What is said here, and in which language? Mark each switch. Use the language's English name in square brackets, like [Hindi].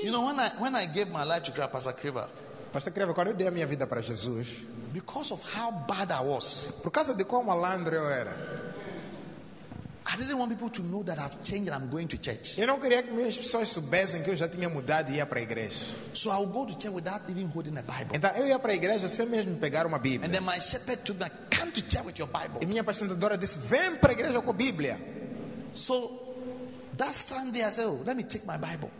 [English] You know when I gave my life to Pastor Kriva. [Portuguese] Pastor Kriva, quando eu dei a minha vida para Jesus. [English] Because of how bad I was. [Portuguese] Por causa de quão malandro eu era. [English] I didn't want people to know that I've changed and I'm going to church. [Portuguese] Eu não queria que as pessoas soubessem que eu já tinha mudado e ia para a igreja. [English] So I would go to church without even holding a Bible. [Portuguese] Então eu ia para a igreja sem mesmo pegar uma Bíblia. [English] And then my shepherd told me, come to church with your Bible. [Portuguese] E minha pastora disse, vem para a igreja com a Bíblia. [English] So that Sunday I said, oh, let me take my Bible.